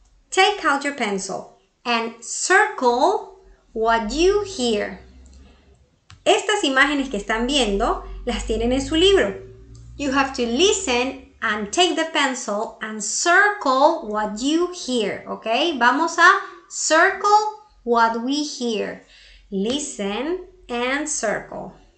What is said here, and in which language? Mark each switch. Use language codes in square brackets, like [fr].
[en] Take out your pencil and circle what you hear. [es] Estas imágenes que están viendo las tienen en su libro. [en] You have to listen and take the pencil and circle what you hear, okay? [es] Vamos a [en] circle what we hear. Listen and circle.